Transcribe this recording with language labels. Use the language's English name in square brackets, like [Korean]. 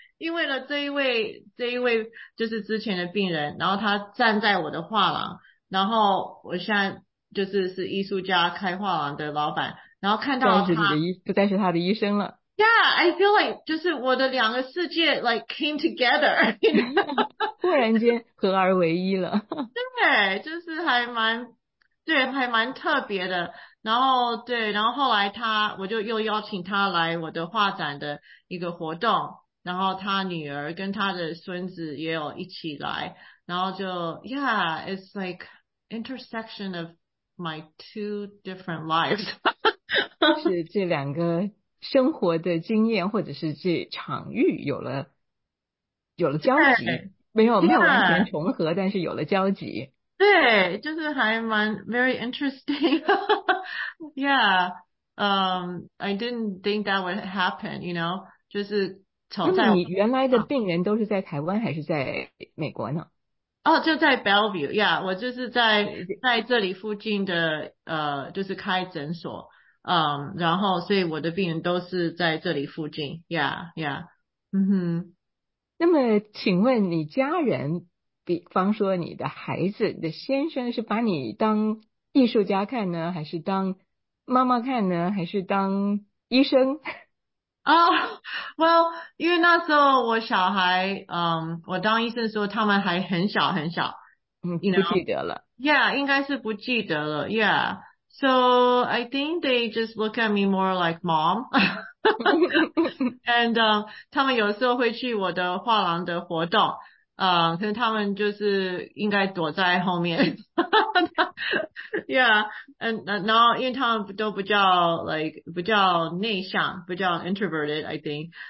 [Chinese] 因为呢这一位就是之前的病人，然后他站在我的画廊，然后我现在就是艺术家开画廊的老板，然后看到他不再是他的医生了。 [English] Yeah, I feel like [Chinese] 就是我的两个世界 [English] like came together, you know? [Chinese] 突然间合而为一了。对，就是还蛮特别的。然后对，然后后来我就又邀请他来我的画展的一个活动，然后他女儿跟他的孙子也有一起来，然后就 [English] yeah, it's like intersection of my two different lives. [Chinese] 是这两个生活的经验或者是这场域有了交集，没有完全重合，但是有了交集。对，就是还蛮 [English] very interesting. Yeah, I didn't think that would happen, you know, [Chinese] 就是吵架。那你原来的病人都是在台湾还是在美国呢？哦，就在 Bellevue. [English] Yeah, [Chinese] 我就是在这里附近的就是开诊所。然后所以我的病人都是在这里附近 [English] yeah, [Chinese] 嗯哼。那么请问你家人，比方说你的孩子，你的先生是把你当艺术家看呢，还是当妈妈看呢，还是当医生？哦、 [English] oh, well, [Chinese] 因为那时候我小孩我当医生的时候他们还很小很小，嗯， [English] you know? [Chinese] 不记得了。 [English] Yeah, [Chinese] 应该是不记得了 [English] yeah. So I think they just look at me more like mom. And [Chinese] 他们有时候会去我的画廊的活动，可是他们就是应该躲在后面。 [English] Yeah, and [Chinese] 然后因为他们都比较内向，比较 [English] introverted, I think.